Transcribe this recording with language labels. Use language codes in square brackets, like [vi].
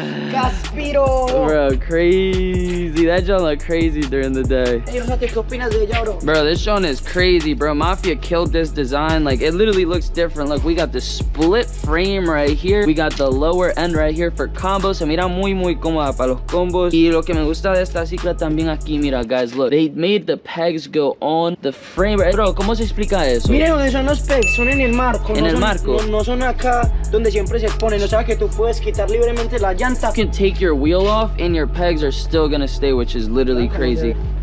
[en] Caspiro. Bro, crazy. That John look crazy during the day. Bro, this John is crazy, bro. Mafia killed this design. Like, it literally looks different. Look, we got the split frame right here. We got the lower end right here for combos. [es] Se mira muy, muy cómoda para los combos. Y lo que me gusta de esta cicla también aquí, mira, [en] guys, look. They made the pegs go on the frame. [es] Bro, ¿cómo se explica eso? Miren donde son los pegs. Son en el marco. En no el son, marco. No, no son acá donde siempre se ponen. O sea, que tú puedes quitar libremente la llanta. [en] You can take your wheel off and your pegs are still gonna stay, which is literally crazy.